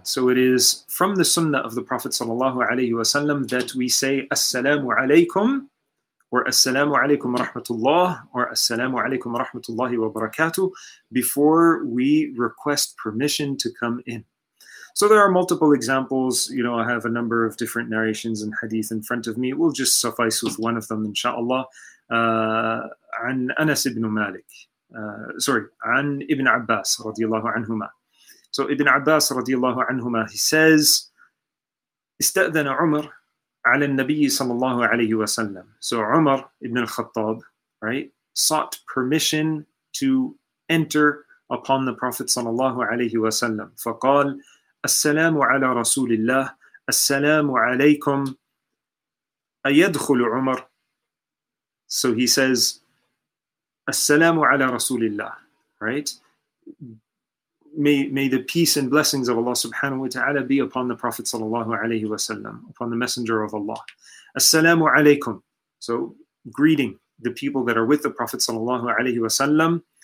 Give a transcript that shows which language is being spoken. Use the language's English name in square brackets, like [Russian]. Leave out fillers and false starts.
[English] So it is from the sunnah of the Prophet sallallahu alayhi wasallam that we say assalamu alaykum, or assalamu alaykum rahmatullah, or assalamu alaykum rahmatullahi wa barakatuh, before we request permission to come in. So there are multiple examples. You know, I have a number of different narrations and hadith in front of me. We'll just suffice with one of them, inshallah. [Arabic] عن أنس بن مالك. عن ابن عباس رضي الله عنهما. So ابن عباس رضي الله عنهما, [English] he says, [Arabic] استأذن عمر على النبي صلى الله عليه وسلم. [English] So عمر ابن الخطاب, right, sought permission to enter upon the Prophet صلى الله عليه وسلم. [Arabic] فقال السلام على رسول الله السلام عليكم أيدخل عمر. [English] So he says [Arabic] السلام على رسول الله, [English] right, may the peace and blessings of Allah subhanahu wa ta'ala be upon the Prophet sallallahu alayhi wa sallam, upon the messenger of Allah. [Arabic] السلام عليكم, [English] so greeting the people that are with the Prophet sallallahu alayhi wa sallam.